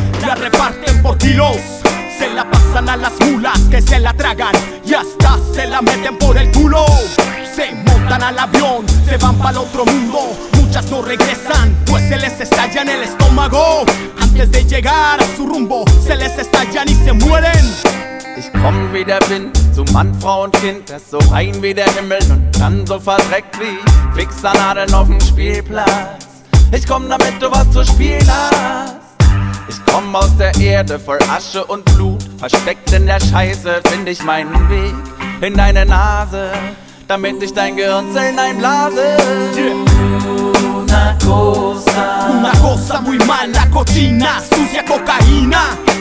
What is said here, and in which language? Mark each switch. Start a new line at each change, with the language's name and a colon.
Spanish: La reparten por kilos, se la pasan a las mulas que se la tragan y hasta se la meten por el culo. Se montan al avión, se van para el otro mundo. Muchas no regresan, pues se les estalla en el estómago. Antes de llegar a su rumbo, se les estallan y se mueren.
German: Ich komm wie der Wind, zu Mann, Frau und Kind, erst so rein wie der Himmel und dann so verdreckt wie Fixernadeln auf dem Spielplatz. Ich komm damit du was zu spielen hast. Ich komm aus der Erde voll Asche und Blut, versteckt in der Scheiße find ich meinen Weg in deine Nase, damit ich dein Gehirnzellen einblase.
Spanish: Una cosa muy mala, cochina, sucia, cocaína.